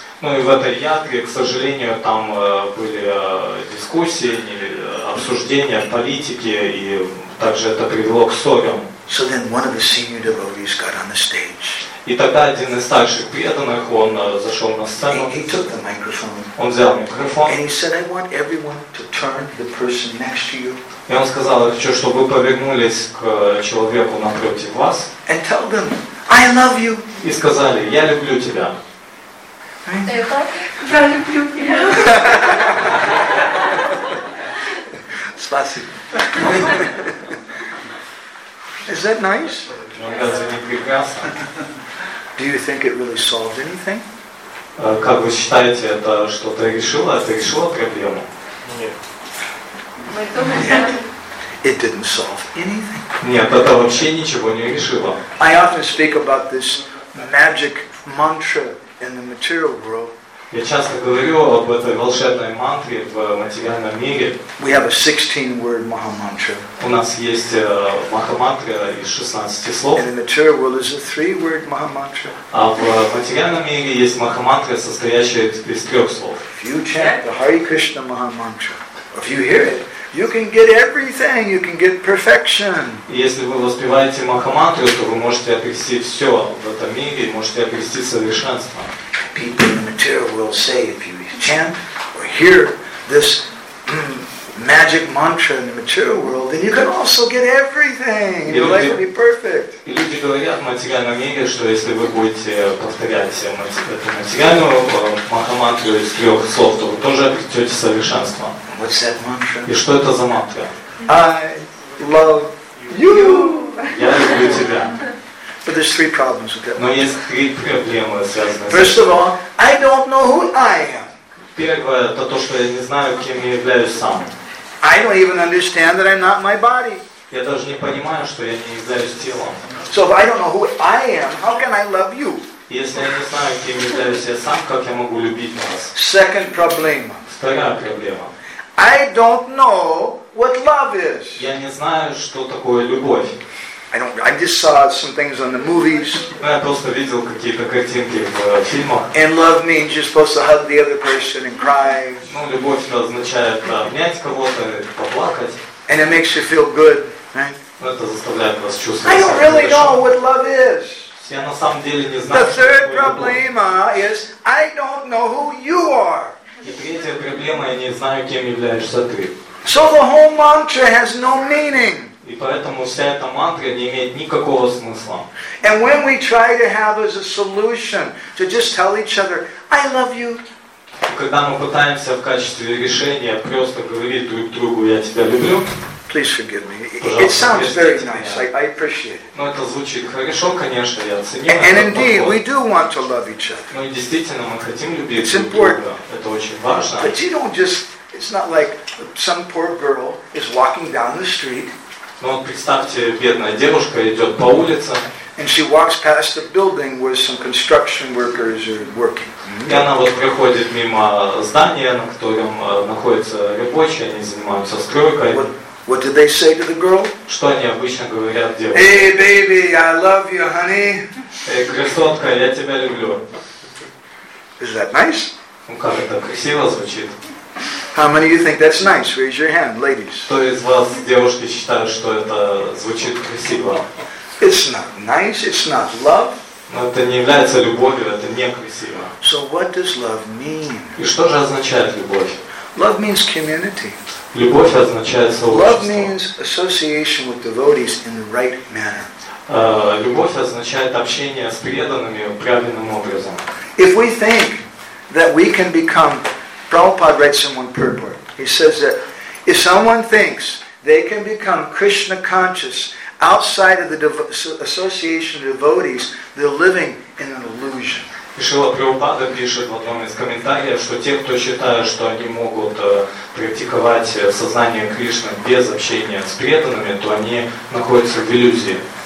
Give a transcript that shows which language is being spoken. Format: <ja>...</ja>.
<ru>Ну и в этой ятре, к сожалению, там были дискуссии, обсуждения политики, и также это привело к ссорам.</ru> <en>So then one of the senior devotees got on the stage.</en> <ru>И тогда один из старших преданных, он зашел на сцену.</ru> <en>He took the microphone.</en> <ru>Он взял микрофон.</ru> <en>And he said, I want everyone to turn to the person next to you.</en> <ru>И он сказал, я хочу, чтобы вы повернулись к человеку напротив вас.</ru> <en>And tell them, I love you.</en> <ru>И сказали, я люблю тебя. Я люблю тебя. Спасибо.</ru> <en>Is that nice? Do you think it really solved anything?</en> <ru>Как вы считаете, это что-то решило? Это решило проблему? Нет.</ru> <en>It didn't solve anything.</en> <ru>Нет, это вообще ничего не решило.</ru> <en>I often speak about this magic mantra in the material world.</en> <ru>Я часто говорю об этой волшебной мантре в материальном мире.</ru> <en>We have a 16-word Mahamantra.</en> <ru>У нас есть Mahamantra из 16 слов.</ru> <en>In the material world is a 3-word Mahamantra.</en> <ru>А в материальном мире есть Mahamantra, состоящая из 3 слов.</ru> <en>If you chant the Hare Krishna Mahamantra, if you hear it, you can get everything. You can get perfection.</en> <ru>Если вы воспеваете Mahamantra, то вы можете обрести все в этом мире, можете обрести совершенство.</ru> <en>People in the material will say, if you chant or hear this magic mantra in the material world, then you can also get everything. Your life will be perfect.</en> <ru>И люди говорят в материальном мире, что если вы будете повторять эту материальную Mahamantra из 3 слов, то вы тоже обретете совершенство.</ru> <en>What's that mantra?</en> <ru>И что это за мантра?</ru> <en>I love you.</en> <ru>Я люблю тебя.</ru> <en>But there's 3 problems with that.</en> <ru>Но есть 3 проблемы, связанные.</ru> <en>First of all, I don't know who I am.</en> <ru>Первое, это то, что я не знаю, кем я являюсь сам.</ru> <en>I don't even understand that I'm not my body.</en> <ru>Я даже не понимаю, что я не являюсь телом.</ru> <en>So if I don't know who I am, how can I love you?</en> <ru>Если я не знаю, кем являюсь я сам, как я могу любить вас?</ru> <en>Second problem.</en> <ru>Вторая проблема.</ru> <en>I don't know what love is.</en> <ru>Я не знаю, что такое любовь.</ru> <en>I just saw some things on the movies.</en> <ru>Я просто видел какие-то картинки в фильмах.</ru> <en>And love means you're supposed to hug the other person and cry.</en> <ru>Ну, любовь это означает обнять кого-то, поплакать.</ru> <en>And it makes you feel good, right?</en> <ru>Это заставляет вас чувствовать.</ru> <en>I don't really know what love is.</en> <ru>Я на самом деле не знаю.</ru> <en>The third problem is I don't know who you are.</en> <ru>И третья проблема, я не знаю, кем являешься ты.</ru> <en>So the whole mantra has no meaning.</en> <ru>И поэтому вся эта мантра не имеет никакого смысла.</ru> <en>And when we try to have as a solution to just tell each other, I love you.</en> <ru>И когда мы пытаемся в качестве решения просто говорить друг другу, я тебя люблю.</ru> <en>Please forgive me. It sounds very nice. I appreciate it.</en> <ru>Но это звучит хорошо, конечно, я оцениваю.</ru> <en>And indeed, we do want to love each other.</en> <ru>Но действительно, мы хотим любить друг друга. Это очень важно.</ru> <en>But you don't just, it's not like some poor girl is walking down the street.</en> <ru>Ну вот представьте, бедная девушка идет по улице.</ru> <en>And she walks past a building where some construction workers are working.</en> <ru>И она вот проходит мимо здания, на котором находятся рабочие, они занимаются стройкой.</ru> <en>What do they say to the girl?</en> <ru>Что они обычно говорят девушке?</ru> <en>Hey baby, I love you, honey.</en> <ru>Эй, красотка, я тебя люблю.</ru> <en>Is that nice?</en> <ru>Ну как это красиво звучит.</ru> <en>How many of you think that's nice? Raise your hand, ladies.</en> <ru>Кто из вас, девушки, считает, что это звучит красиво?</ru> <en>It's not nice, it's not love.</en> <ru>Но это не является любовью, это не красиво.</ru> <en>So what does love mean?</en> <ru>И что же означает любовь?</ru> <en>Love means community.</en> <ru>Любовь означает сообщество.</ru> <en>Love means association with devotees in the right manner.</en> <ru>Любовь означает общение с преданными правильным образом.</ru> <en>If we think that we can become Prabhupada writes in one purport. He says that if someone thinks they can become Krishna conscious outside of the association of devotees, they're living in an illusion.</en> <ru>Шрила Прабхупада пишет в одном из комментариев, что те, кто считают, что они могут практиковать сознание Кришны без общения с преданными, то они находятся в иллюзии.</ru>